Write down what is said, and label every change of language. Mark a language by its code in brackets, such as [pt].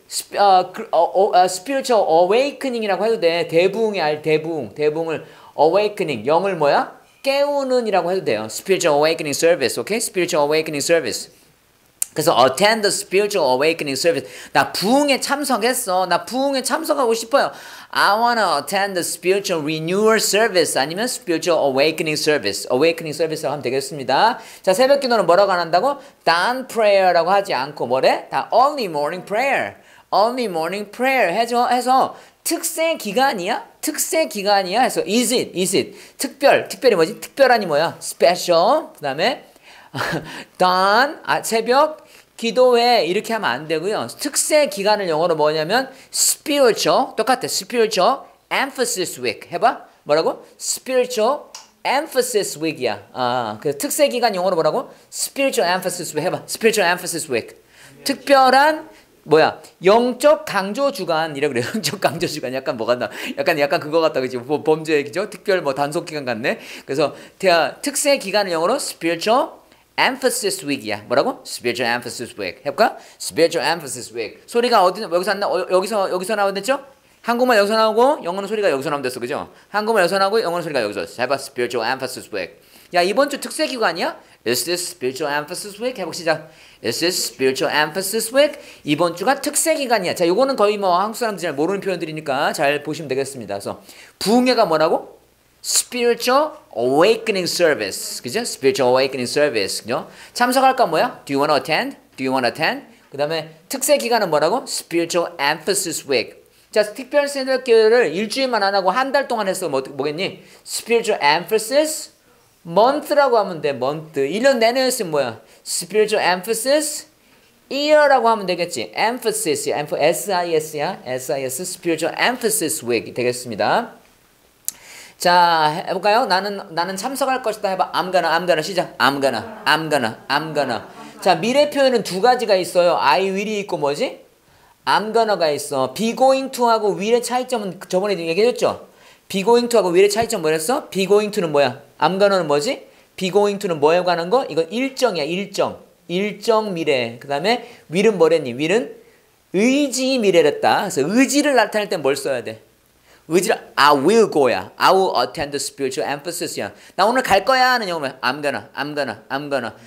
[en] spiritual awakening [ko] 이라고 해도 돼. 대부흥의 알 대부흥을 awakening. 영을 뭐야? 깨우는이라고 해도 돼요. [en] spiritual awakening service. okay? spiritual awakening service. 그래서 attend the spiritual awakening service. [ko] 나 부흥에 참석했어. 나 부흥에 참석하고 싶어요. [en] I wanna attend the spiritual renewal service. [ko] 아니면 [en] spiritual awakening service. awakening service [ko] 라고 하면 되겠습니다. 자, 새벽 기도는 뭐라고 안 한다고? [en] dawn prayer라고 [ko] 하지 않고 뭐래? 다 [en] early morning prayer. early morning prayer [ko] 해서 특세 기간이야? 특세 기간이야? 해서 [en] is it? [ko] 특별히 뭐지? 특별하니 뭐야? special. 그 다음에 dawn, 새벽, 기도회 이렇게 하면 안 되고요. 특세 기간을 영어로 뭐냐면 spiritual, 똑같아. [en] spiritual emphasis week. [ko] 해봐. 뭐라고? [en] spiritual emphasis week이야. [ko] 그 특세 기간 영어로 뭐라고? [en] spiritual emphasis week. 해봐. spiritual emphasis week. [ko] 특별한 뭐야? 영적 강조 주간이라고 그래요. 영적 강조 주간. 약간 뭐 같나? 약간 그거 같다. 그치? 범죄 얘기죠? 특별 뭐 단속 기간 같네. 그래서 특세 기간을 영어로 [en] spiritual emphasis week [ko] 이야. 뭐라고? [en] spiritual emphasis week. [ko] 해볼까? [en] spiritual emphasis week. [ko] 소리가 어디, 여기서 안 나, 여기서 나왔죠? 한국말 여기서 나오고, 영어는 소리가 여기서 나오면 됐어. 그죠? 한국말 여기서 나오고, 영어는 소리가 여기서 됐어. 해봐. [en] spiritual emphasis week. [ko] 야, 이번 주 특세 기간이야? [en] Is this spiritual emphasis week? [ko] 해보고 시작. [en] Is this spiritual emphasis week? [ko] 이번 주가 특세 기간이야. 자, 요거는 거의 뭐 한국 사람들이 잘 모르는 표현들이니까 잘 보시면 되겠습니다. 그래서, 부흥회가 뭐라고? [en] Spiritual Awakening Service. 그죠? Spiritual Awakening Service. 그죠? [ko] 참석할까 뭐야? [en] Do you want to attend? Do you want to attend? [ko] 그 다음에 특세 기간은 뭐라고? [en] Spiritual Emphasis Week. [ko] 자, 특별 새벽기도를 일주일만 안 하고 한 달 동안 했으면 뭐겠니? [en] Spiritual Emphasis Month라고 [ko] 하면 돼. Month. 1년 내내 했으면 뭐야? [en] Spiritual Emphasis Year라고 [ko] 하면 되겠지. [en] Emphasis. S-I-S야. S-I-S. Spiritual Emphasis Week 되겠습니다. [ko] 자, 해볼까요? 나는 참석할 것이다. 해봐. [en] I'm gonna [ko] 시작. [en] I'm gonna. [ko] 자, 미래 표현은 두 가지가 있어요. [en] I will [ko] 이 있고 뭐지? [en] I'm gonna [ko] 가 있어. [en] Be going to [ko] 하고 will의 차이점은 저번에 얘기해줬죠? [en] Be going to [ko] 하고 will의 차이점 뭐랬어? [en] Be going to [ko] 는 뭐야? [en] I'm gonna [ko] 는 뭐지? [en] Be going to [ko] 는 뭐에 관한 거? 이건 일정이야. 일정. 일정 미래. 그 다음에 will은 뭐랬니? will은 의지 미래랬다. 그래서 의지를 나타낼 땐 뭘 써야 돼? [en] 의지를 I will go 야. I will attend the spiritual emphasis야. [ko] 나 오늘 갈 거야 하는 영어면 [en] I'm gonna.